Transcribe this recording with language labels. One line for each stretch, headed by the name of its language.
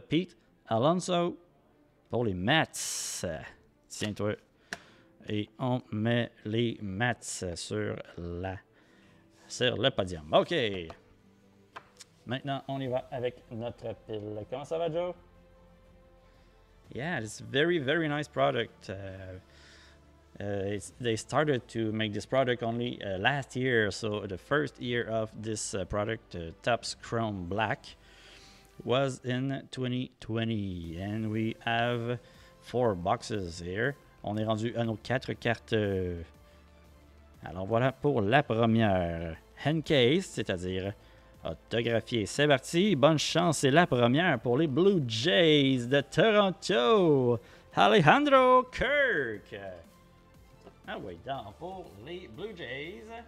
French: Pete Alonso pour les Mets. Tiens-toi. Et on met les Mets sur le podium. OK. Maintenant, on y va avec notre pile. Comment ça va, Joe?
English: Yeah, it's very, very nice product. They started to make this product only last year. So the first year of this product, Topps Chrome Black, was in 2020. And we have four boxes here.
French: On est rendu à nos quatre cartes. Alors voilà pour la première. Handcase, c'est-à-dire autographié. C'est parti. Bonne chance. C'est la première pour les Blue Jays de Toronto. Alejandro Kirk. Ah oui, donc pour les Blue Jays.